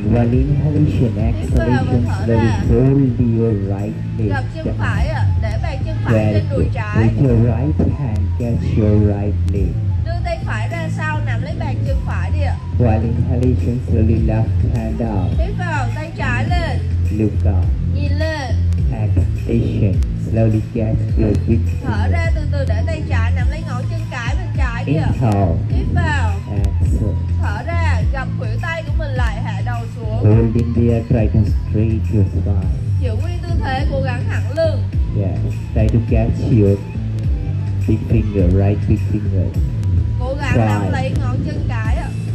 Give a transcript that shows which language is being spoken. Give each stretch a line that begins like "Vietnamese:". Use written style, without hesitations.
English: While inhalation, exhalation, slowly fold your right leg.
Vietnamese: Gập chân phải ạ, để bàn chân phải lên đùi trái.
English: With your right hand, catch your right leg.
Vietnamese: Đưa tay phải ra sau, nắm lấy bàn chân phải đi ạ.
English: While inhalation, slowly left hand up.
Vietnamese: Hít vào, tay trái lên.
English: Look up.
Vietnamese: Nhìn lên.
English: Exhalation. Slowly catch your feet.
Vietnamese: Thở ra từ từ, để tay trái nằm lấy ngón chân cái bên trái đi ạ.
English: Inhale.
Vietnamese: Hít vào.
English: Exhale.
Vietnamese: Thở ra, gập khuỷu tay của mình lại, hạ đầu xuống.
English: Holding there, try to straight your spine.
Vietnamese: Giữ nguyên tư thế, cố gắng thẳng lưng.
English: Yeah, try to catch your big finger, right big finger.
Vietnamese: Cố gắng nắm lấy ngón chân cái ạ.